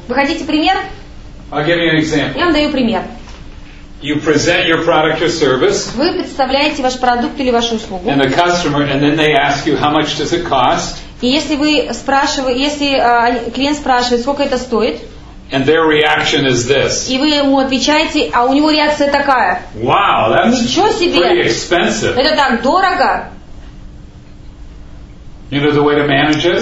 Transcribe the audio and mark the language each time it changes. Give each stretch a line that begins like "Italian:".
Russian: Вы хотите пример?
English: I'll give you an example.
Russian: Я вам даю пример.
English: You present your product or service.
Russian: Вы представляете ваш продукт или вашу услугу.
English: And the customer, and then they ask you, how much does it cost?
Russian: И если вы спрашиваете, если клиент спрашивает, сколько это стоит?
English: And their reaction is this.
Russian: И вы ему отвечаете, а у него реакция такая.
English: Wow, that's pretty expensive.
Russian: Это так дорого.
English: You know the way to manage it?